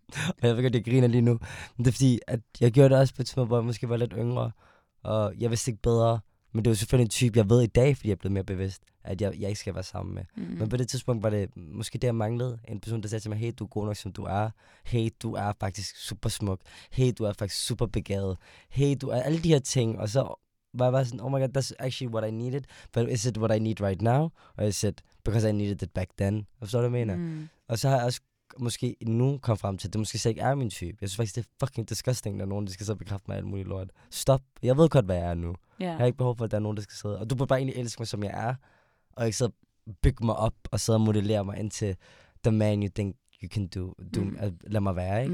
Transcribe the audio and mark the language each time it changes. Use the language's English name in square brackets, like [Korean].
[Danish] Og jeg ved godt, at jeg griner lige nu. Men det er fordi, at jeg gjorde det også på et tidspunkt, hvor jeg måske var lidt yngre. Og jeg vidste ikke bedre. Men det er jo selvfølgelig en type, jeg ved i dag, fordi jeg er blevet mere bevidst, at jeg ikke skal være sammen med. Mm. Men på det tidspunkt var det måske det, jeg manglede. En person, der sagde til mig, hey, du er god nok, som du er. Hey, du er faktisk super smuk. Hey, du er faktisk super begavet. Hey, du er alle de her ting. Og så var jeg bare sådan, [English] oh my god, that's actually what I needed. But is it what I need right now? [Danish] Og jeg sagde, [English] because I needed it back then. [Danish] Forstår du, hvad jeg mener? Mm. Og så har jeg også måske nu kommet frem til, at det måske slet ikke er min type. Jeg synes faktisk, det er [English] fucking disgusting, [Danish] når nogen skal så bekræfte mig alt muligt lort. Stop. Jeg ved godt, hvad jeg er nu. Yeah. Jeg har ikke behov for, at der er nogen, der skal sidde. Og du bør bare egentlig elske mig, som jeg er. Og ikke så bygge mig op og sidde og modellere mig ind til [English] the man you think you can do. [Danish] Lad mig være, ikke?